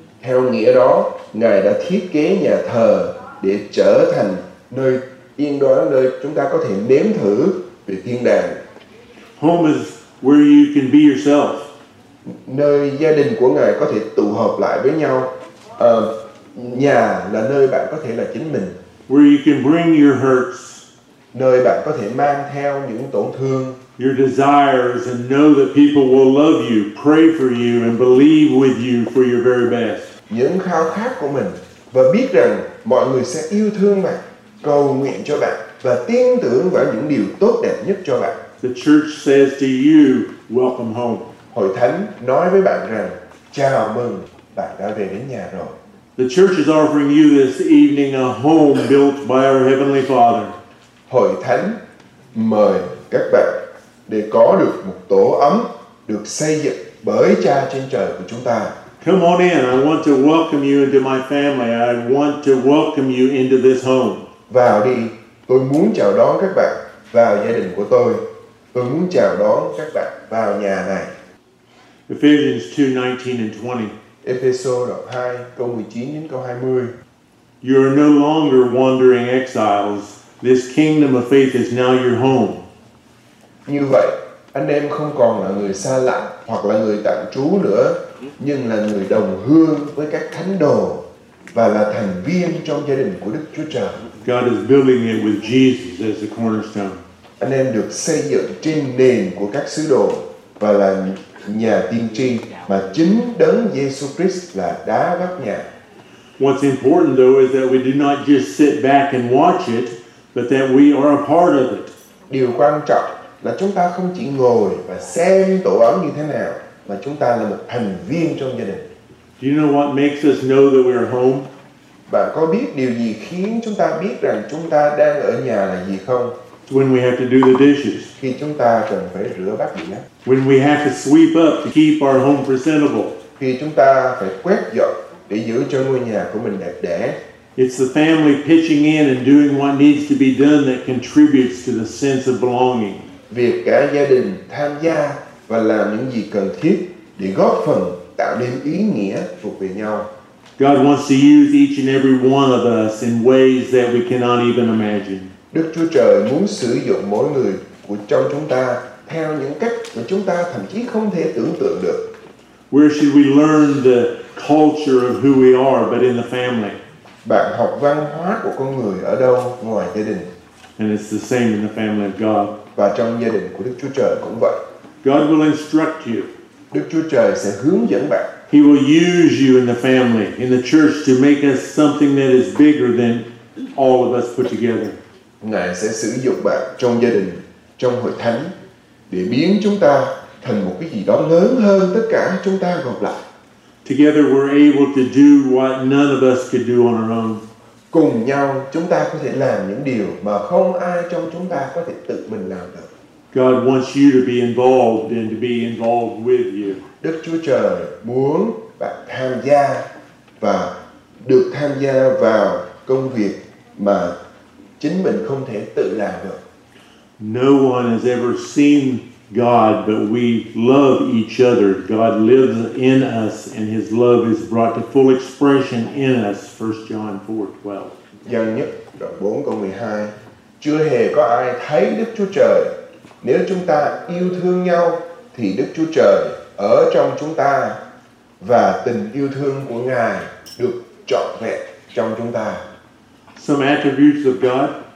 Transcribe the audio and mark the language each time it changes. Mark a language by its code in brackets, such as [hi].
[vi] Theo nghĩa đó, Ngài đã thiết kế nhà thờ để trở thành nơi yên đó, nơi chúng ta có thể nếm thử về thiên đàng. [en] Home is where you can be yourself. [vi] Nơi gia đình của Ngài có thể tụ họp lại với nhau. Nhà là nơi bạn có thể là chính mình. [en] Where you can bring your hurts. [vi] Nơi bạn có thể mang theo những tổn thương. [en] Your desires and know that people will love you, pray for you and believe with you for your very best. [vi] Những khao khát của mình và biết rằng mọi người sẽ yêu thương bạn, cầu nguyện cho bạn và tin tưởng vào những điều tốt đẹp nhất cho bạn. [en] The church says to you, welcome home. [vi] Hội thánh nói với bạn rằng, chào mừng, bạn đã về đến nhà rồi. [en] The church is offering you this evening a home built by our heavenly Father. [vi] Hội thánh mời các bạn để có được một tổ ấm được xây dựng bởi Cha trên trời của chúng ta. [en] Come on in. I want to welcome you into my family. I want to welcome you into this home. [vi] Vào đi. Tôi muốn chào đón các bạn vào gia đình của tôi. Tôi muốn chào đón các bạn vào nhà này. [en] Ephesians 2:19 and 20. [vi] Ephesians 2, câu 19 đến câu 20. [en] You are no longer wandering exiles. This kingdom of faith is now your home. [vi] Như vậy, anh em không còn là người xa lạ hoặc là người tạm trú nữa, nhưng là người đồng hương với các thánh đồ và là thành viên trong gia đình của Đức Chúa Trời. [en] God is building it with Jesus as the cornerstone. [vi] Anh em được xây dựng trên nền của các sứ đồ và là nhà tiên tri mà chính đấng Giêsu Christ là đá gốc nhà. [en] What's important though is that we do not just sit back and watch it, but that we are a part of it. [vi] Điều quan trọng là chúng ta không chỉ ngồi và xem tổ ấm như thế nào, mà chúng ta là một thành viên trong gia đình. [en] Do you know what makes us know that we are home? [vi] Bạn có biết điều gì khiến chúng ta biết rằng chúng ta đang ở nhà là gì không? [en] When we have to do the dishes. [vi] Khi chúng ta cần phải rửa bát đĩa. [en] When we have to sweep up to keep our home presentable. [vi] Khi chúng ta phải quét dọn để giữ cho ngôi nhà của mình đẹp đẽ. [en] It's the family pitching in and doing what needs to be done that contributes to the sense of belonging. [vi] Việc cả gia đình tham gia và làm những gì cần thiết để góp phần tạo nên ý nghĩa thuộc về nhau. [en] God wants to use each and every one of us in ways that we cannot even imagine. [vi] Đức Chúa Trời muốn sử dụng mỗi người của trong chúng ta theo những cách mà chúng ta thậm chí không thể tưởng tượng được. [en] Where should we learn the culture of who we are but in the family? [vi] Bạn học văn hóa của con người ở đâu ngoài gia đình? [en] And it's the same in the family of God. [vi] Và trong gia đình của Đức Chúa Trời cũng vậy. [en] God will instruct you. [vi] Đức Chúa Trời sẽ hướng dẫn bạn. [en] He will use you in the family, in the church to make us something that is bigger than all of us put together. [vi] Ngài sẽ sử dụng bạn trong gia đình, trong hội thánh để biến chúng ta thành một cái gì đó lớn hơn tất cả chúng ta gộp lại. [en] Together we're able to do what none of us could do on our own. [vi] Cùng nhau chúng ta có thể làm những điều mà không ai trong chúng ta có thể tự mình làm được. [en] God wants you to be involved and to be involved with you. [vi] Đức Chúa Trời muốn bạn tham gia và được tham gia vào công việc mà chính mình không thể tự làm được. [en] No one has ever seen God, but we love each other. God lives in us and his love is brought to full expression in us. 1 John 4:12. [vi] Giăng nhất đoạn 4 câu 12. Chưa hề có ai thấy Đức Chúa Trời. Nếu chúng ta yêu thương nhau thì Đức Chúa Trời ở trong chúng ta và tình yêu thương của Ngài được trọn vẹn trong chúng ta. [en] Some attributes of God.